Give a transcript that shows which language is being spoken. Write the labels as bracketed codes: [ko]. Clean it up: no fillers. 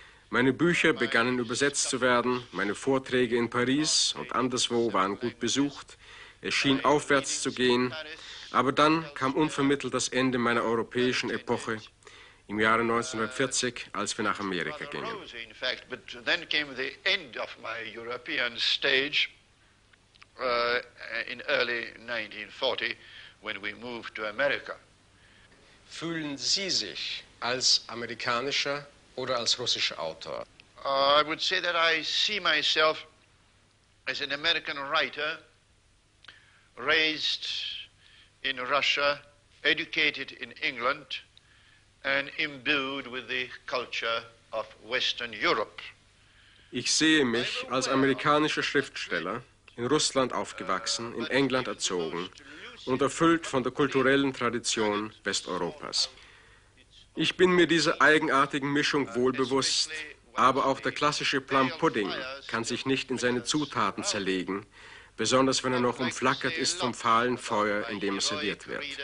[de] Meine Bücher begannen übersetzt zu werden, meine Vorträge in Paris und anderswo waren gut besucht, es schien aufwärts zu gehen. Aber dann kam unvermittelt das Ende meiner europäischen Epoche im Jahre 1940, als wir nach Amerika gingen. [en] In fact, but then came the end of my European stage in early 1940, when we moved to America. [de] Fühlen Sie sich als amerikanischer oder als russischer Autor? [en] I would say that I see myself as an American writer, raised in Russia, educated in England, and imbued with the culture of Western Europe. [de] Ich sehe mich als amerikanischer Schriftsteller, in Russland aufgewachsen, in England erzogen und erfüllt von der kulturellen Tradition Westeuropas. Ich bin mir dieser eigenartigen Mischung wohlbewusst, aber auch der klassische Plum Pudding kann sich nicht in seine Zutaten zerlegen, besonders wenn er noch umflackert ist vom fahlen Feuer, in dem er serviert wird.